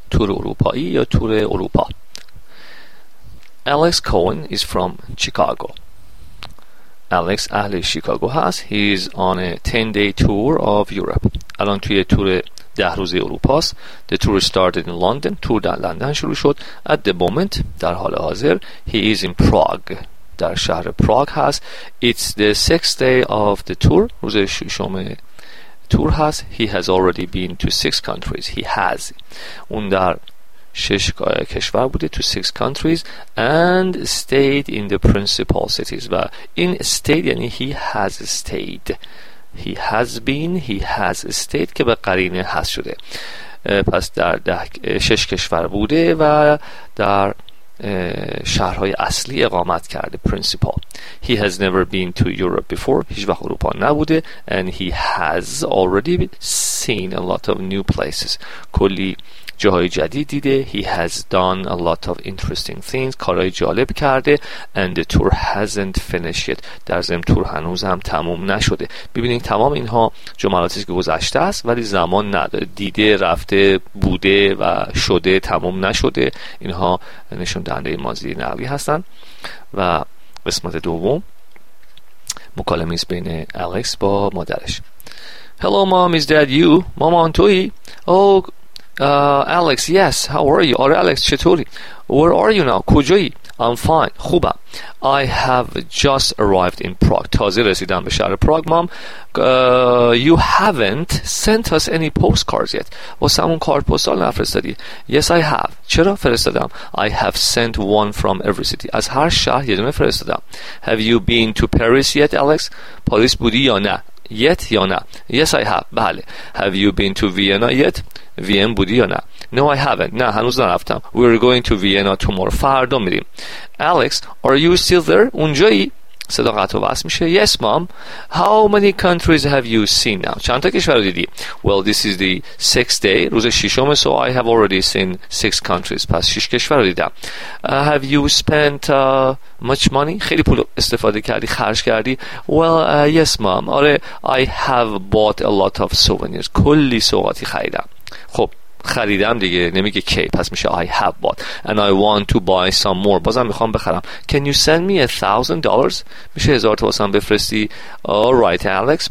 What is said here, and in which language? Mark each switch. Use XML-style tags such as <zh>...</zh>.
<fa>تور اروپایی یا تور اروپا.</fa> <en>Alex Cohen is from Chicago.</en> <fa>Alex اهل شیکاگو هست.</fa> <en>He is on a 10-day tour of Europe.</en> <fa>الان توی تور ده روزه اروپا است.</fa> <en>The tour started in London.</en> <fa>تور در لندن شروع شد.</fa> <en>At the moment,</en> <fa>در حال حاضر,</fa> <en>he is in Prague.</en> <fa>در شهر پراگ هست.</fa> <en>It's the 6th day of the tour.</en> <fa>روز ششم تور هست.</fa> <en>He has already been to 6 countries. He has.</en> <fa>اون در 6 کشور بوده.</fa> <en>To 6 countries. And stayed in the principal cities. و in stayed</en> <fa>یعنی</fa> <en>he has stayed. He has been. He has stayed.</en> <fa>که به قرینه هست شده. پس در 6 کشور بوده و در شهرهای اصلی اقامت کرده.</fa> <en>Principal. He has never been to Europe before.</en> <fa>هیچ وقت اروپا نبوده.</fa> <en>And he has already seen a lot of new places.</en> <fa>کلی جاهای جدید دیده.</fa> <en>He has done a lot of interesting things.</en> <fa>کارهای جالب کرده.</fa> <en>And the tour hasn't finished yet.</en> <fa>در ضمن تور هنوز هم تموم نشده. ببینید تمام اینها جملاتی که گذشته است ولی زمان نداره. دیده، رفته، بوده و شده، تموم نشده. اینها نشون دهنده ماضی نحوی هستن. و قسمت دوم، مکالمه است بین الکس با مادرش.</fa> <en>Hello mom, is that you?</en> <fa>مامان تویی؟</fa> <en>Alex, yes, how are you? Are Alex,</en> <fa>چطوری?</fa> <en>Where are you now?</en> <fa>کجایی?</fa> <en>I'm fine,</en> <fa>خوبم.</fa> <en>I have just arrived in Prague.</en> <fa>تازه رسیدم به شهر پراگ.</fa> <en>Mom, you haven't sent us any postcards yet.</en> <fa>واسمون کارت پستال نفرستادی.</fa> <en>Yes, I have.</en> <fa>چرا فرستادم?</fa> <en>I have sent one from every city.</en> <fa>از هر شهر یه دونه فرستادم.</fa> <en>Have you been to Paris yet, Alex?</en> <fa>پاریس بودی یا نه? Yet یا نه?</fa> <en>Yes, I have.</en> <fa>بله.</fa> <en>Have you been to Vienna yet? VM</en> <fa>بودی یا نه؟</fa> <en>No, I haven't.</en> <fa>نه، هنوز نرفتم.</fa> <en>We're going to Vienna tomorrow.</en> <fa>فردا میریم.</fa> <en>Alex, are you still there?</en> <fa>اونجایی؟ صدا قطع و وصل میشه.</fa> <en>Yes, mom. How many countries have you seen now?</en> <fa>چند تا کشور دیدی؟</fa> <en>Well, this is the 6th day.</en> <fa>روز ششم.</fa> <en>So I have already seen 6 countries.</en> <fa>پس 6 کشور دیدم.</fa> <en>Have you spent much money?</en> <fa>خیلی پول استفاده کردی، خرج کردی؟</fa> <en>Well, yes, mom.</en> <fa>آره,</fa> <en>I have bought a lot of souvenirs.</en> <fa>کلی سوغاتی خریدم. خب خریدم دیگه، نمیگه کی، پس میشه</fa> <en>I have bought and I want to buy some more.</en> <fa>بازم میخوام بخرم.</fa> <en>Can you send me $1,000؟</en> <fa>میشه 1000 تا واسم بفرستی؟</fa> <en>Alright Alex.</en>